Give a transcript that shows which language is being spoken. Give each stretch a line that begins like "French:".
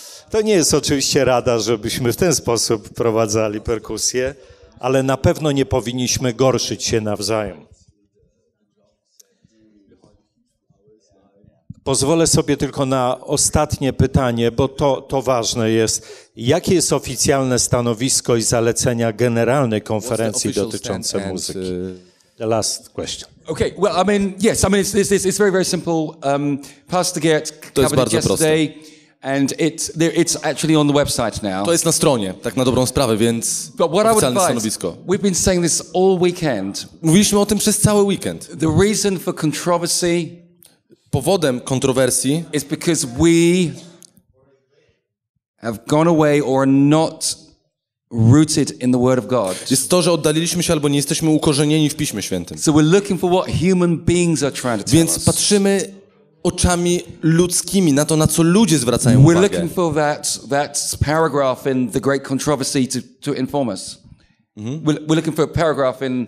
Polish: To nie jest oczywiście rada, żebyśmy w ten sposób wprowadzali perkusję, ale na pewno nie powinniśmy gorszyć się nawzajem. Pozwolę sobie tylko na ostatnie pytanie, bo to ważne jest. Jakie jest oficjalne stanowisko i zalecenia generalnej konferencji dotyczące muzyki?
English: The last question. Okay, well, I mean, yes, I mean, it's very, very simple. Pastor Gert covered it yesterday. And it's actually on the website now.
Polish: To jest na stronie, tak na dobrą sprawę, więc oficjalne stanowisko.
English: We've been saying this all weekend.
Polish: Mówiliśmy o tym przez cały weekend.
English: The reason for controversy.
Polish: Powodem kontrowersji.
English: Is because we have gone away or are not rooted in the Word of God.
Polish: Jest to, że oddaliliśmy się albo nie jesteśmy ukorzenieni w Piśmie Świętym.
English: So we're looking for what human beings are trying to tell us.
Polish: Więc patrzymy oczami ludzkimi, na to, na co ludzie zwracają uwagę.
English: We're looking for that paragraph in the great controversy to inform us. We're looking for a paragraph